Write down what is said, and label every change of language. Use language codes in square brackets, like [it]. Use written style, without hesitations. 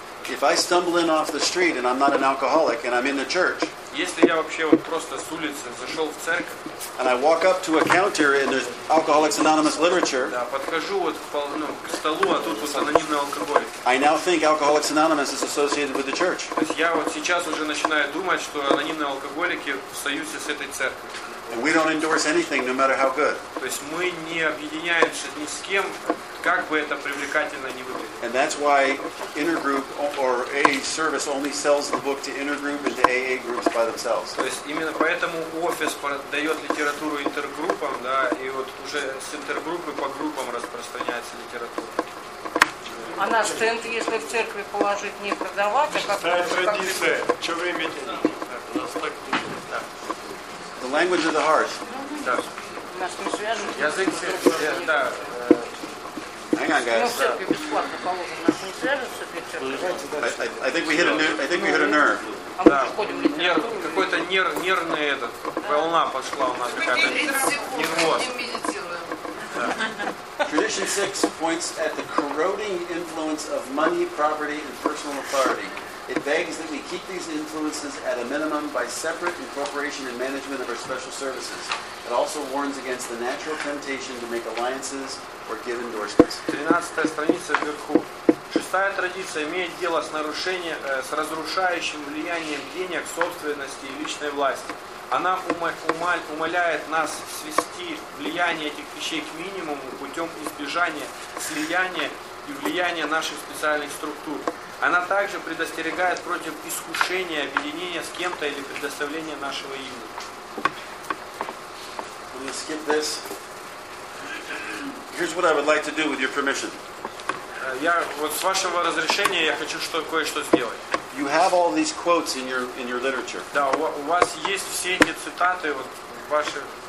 [en] If I stumble in off the street and I'm not an alcoholic and I'm in the church. [ru] Если я вообще вот просто с улицы зашел в церковь. [en] And I walk up to a counter and there's Alcoholics Anonymous literature. [ru] Да, подхожу вот к столу, а тут вот анонимный алкоголик. [en] I now think Alcoholics Anonymous is associated with the church. [ru] То есть я вот сейчас уже начинаю думать, что анонимные алкоголики в союзе с этой церковью. [en] We don't endorse anything, no matter how good. [ru] То есть мы не объединяемся ни с кем, как бы это привлекательно ни выглядело. [en] And that's why intergroup or AA service only sells the book to intergroup and to AA groups by themselves. [ru] То есть именно поэтому офис продает литературу интергруппам, да, и вот уже с интергруппы по группам распространяется литература. А на стенд, если в церкви положить, не продавать, а как? Традиция. Что вы имеете? Да. У нас так. Да. [en] The language of the heart. [ru] Да. У нас не связано. Язык сердца. Да. [en] Hang on, guys. I think we hit a nerve. [ru] Да. Какой-то нервный этот. Волна пошла у нас какая-то. Нервоз. [en] Tradition 6 points at the corroding influence of money, property, and personal authority. It begs that we keep these influences at a minimum by separate incorporation and management of our special services. It also warns against the natural temptation to make alliances or give endorsements. [ru] 13-я страница вверху. Шестая традиция имеет дело с нарушением, с разрушающим влиянием денег, собственности и личной власти. Она умоляет нас свести влияние этих вещей к минимуму путем избежания слияния и влияния наших специальных структур. Она также предостерегает против искушения объединения с кем-то или предоставления нашего имени. [en] We skip this. Here's what I would like to do with your permission. [ru] Я вот с вашего разрешения я хочу кое-что сделать. [en] You have all these quotes in your literature. [ru] Да, у вас есть все эти цитаты вот ваши